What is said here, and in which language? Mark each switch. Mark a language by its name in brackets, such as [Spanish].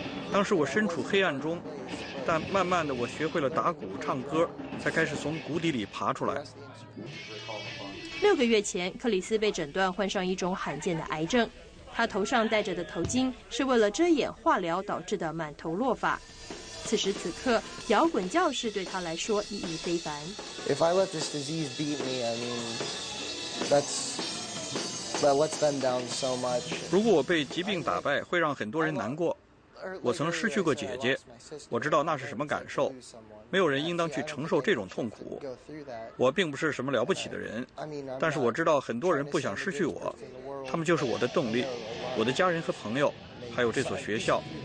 [Chinese] 当时我身处黑暗中，但慢慢的我学会了打鼓、唱歌，才开始从谷底里爬出来。 6个月前，克里斯被诊断患上一种罕见的癌症，他头上戴着的头巾是为了遮掩化疗导致的满头落发。此时此刻，摇滚教室对他来说意义非凡。 [English] If I let this disease beat me, I mean, that's what's been down so much. [Chinese] 如果我被疾病打败，会让很多人难过。我曾失去过姐姐，我知道那是什么感受。没有人应当去承受这种痛苦。我并不是什么了不起的人，但是我知道很多人不想失去我，他们就是我的动力，我的家人和朋友，还有这所学校。